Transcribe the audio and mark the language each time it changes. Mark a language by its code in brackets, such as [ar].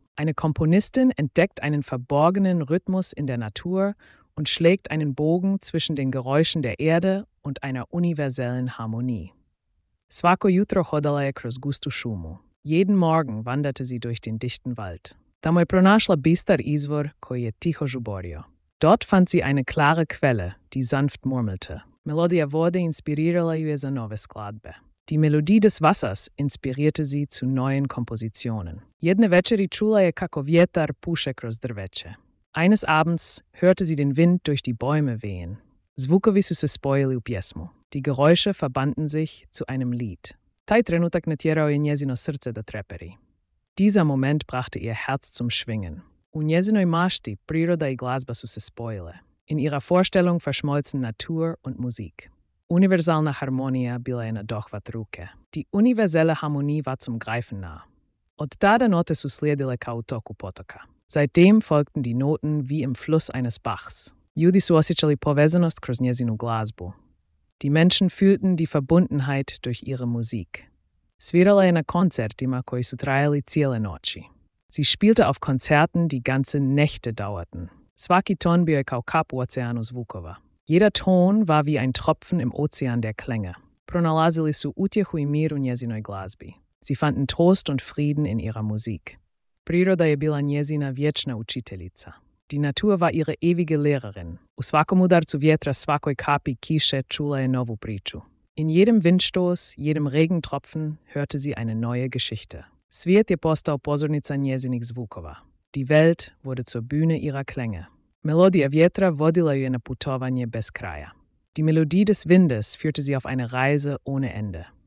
[de] Eine Komponistin entdeckt einen verborgenen Rhythmus in der Natur und schlägt einen Bogen zwischen den Geräuschen der Erde und einer universellen Harmonie. [hr] Svako jutro hodala je kroz gustu šumu. [de] Jeden Morgen wanderte sie durch den dichten Wald. [hr] Tamo je pronašla bistar izvor koji je tiho žuborio. [de] Dort fand sie eine klare Quelle, die sanft murmelte. [hr] Melodija vode inspirirala ju je za nove skladbe. [de] Die Melodie des Wassers inspirierte sie zu neuen Kompositionen. [hr] Jedne večeri čula je kako vjetar puše kroz drveće. [de] Eines Abends hörte sie den Wind durch die Bäume wehen. [hr] Zvukovi su se spojili u pjesmu. [de] Die Geräusche verbanden sich zu einem Lied. [hr] Taj trenutak natjerao je njezino srce da treperi. [de] Dieser Moment brachte ihr Herz zum Schwingen. [hr] U njezinoj mašti priroda i glazba su se spojile. [de] In ihrer Vorstellung verschmolzen Natur und Musik. [hr] Univerzalna harmonija bila je na dohvat ruke. [de] Die universelle Harmonie war zum Greifen nah. [hr] Od tada note su slijedile kao u toku potoka. [de] Seitdem folgten die Noten wie im Fluss eines Bachs. [hr] Ljudi su osjećali povezanost kroz njezinu glazbu. [de] Die Menschen fühlten die Verbundenheit durch ihre Musik. [hr] Svirala je na koncertima koji su trajali cijele noći. [de] Sie spielte auf Konzerten, die ganze Nächte dauerten. [hr] Svaki ton bio je kao kap u oceanu zvukova. [de] Jeder Ton war wie ein Tropfen im Ozean der Klänge. [hr] Pronalazili su utjehu i mir u njezinoj glazbi. [de] Sie fanden Trost und Frieden in ihrer Musik. [hr] Priroda je bila njezina vječna učiteljica. [de] Die Natur war ihre ewige Lehrerin. [hr] U svakom udarcu vjetra, svakoj kapi kiše, čula je novu priču. [de] In jedem Windstoß, jedem Regentropfen hörte sie eine neue Geschichte. [hr] Svijet je postao pozornica njezinih zvukova. [de] Die Welt wurde zur Bühne ihrer Klänge. [hr] Melodija vjetra vodila ju je na putovanje bez kraja. [de] Die Melodie des Windes führte sie auf eine Reise ohne Ende.